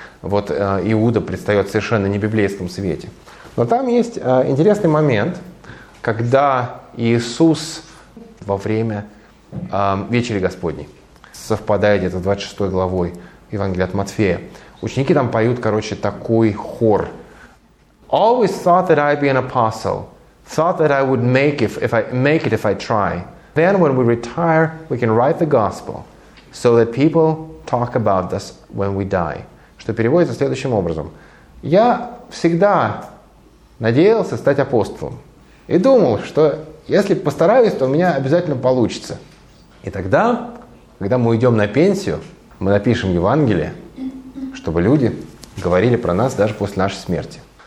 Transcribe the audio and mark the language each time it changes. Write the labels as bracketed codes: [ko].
[ru] Вот Иуда предстает в совершенно не библейском свете. Но там есть интересный момент, когда Иисус во время Вечери Господней совпадает это с 26 главой Евангелия от Матфея. Ученики там поют, короче, такой хор. [en] «Always thought that I'd be an apostle. Thought that I would make it if I try. Then when we retire, we can write the gospel so that people talk about us when we die». [ru] Что переводится следующим образом. «Я всегда надеялся стать апостолом и думал, что если постараюсь, то у меня обязательно получится. И тогда, когда мы уйдем на пенсию, мы напишем Евангелие, чтобы люди говорили про нас даже после нашей смерти».